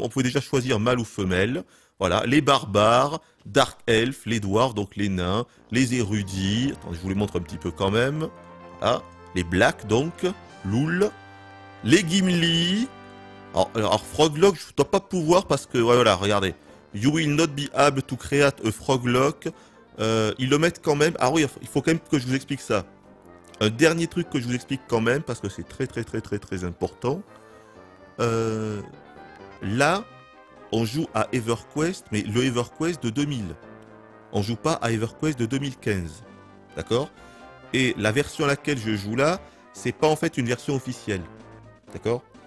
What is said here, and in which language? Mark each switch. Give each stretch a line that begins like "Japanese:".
French: On pouvait déjà choisir mâle ou femelle. Voilà. Les barbares, dark elf, les dwarves, donc les nains, les érudits. Attends, je vous les montre un petit peu quand même. Voilà. Les blacks, donc. Loul. Les gimli. Alors Froglock, je ne dois pas pouvoir parce que. Voilà, regardez.
English: You will not be able to create a Froglock.
French: Ils le mettent quand même. Ah oui, il faut quand même que je vous explique ça. Un dernier truc que je vous explique quand même parce que c'est très, très, très, très, très important. Là, on joue à EverQuest, mais le EverQuest de 2000. On ne joue pas à EverQuest de 2015. D'accord? Et la version à laquelle je joue là, c'est pas en fait une version officielle. D'accord?